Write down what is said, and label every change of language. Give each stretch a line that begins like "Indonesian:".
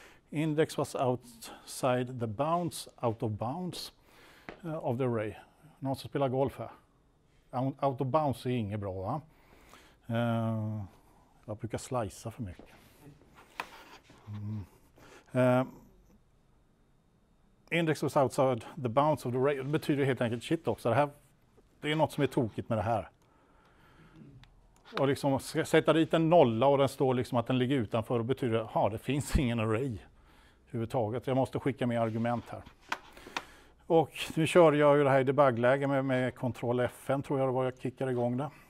English: Index was outside the bounds, out of bounds of the array.
Swedish: Någon som spelar golf här.
English: Out of bounds
Swedish: är inget bra, va? Jag brukar slicea för mycket.
English: Index was outside the bounds of the array.
Swedish: Det betyder helt enkelt shit också. Det är något som är tokigt med det här. Och liksom sätta dit en nolla och den står liksom att den ligger utanför, och betyder att det finns ingen array överhuvudtaget. Jag måste skicka med argument här. Och nu kör jag ju det här i debuggläge med Ctrl-Fn, tror jag det var, jag kickar igång det.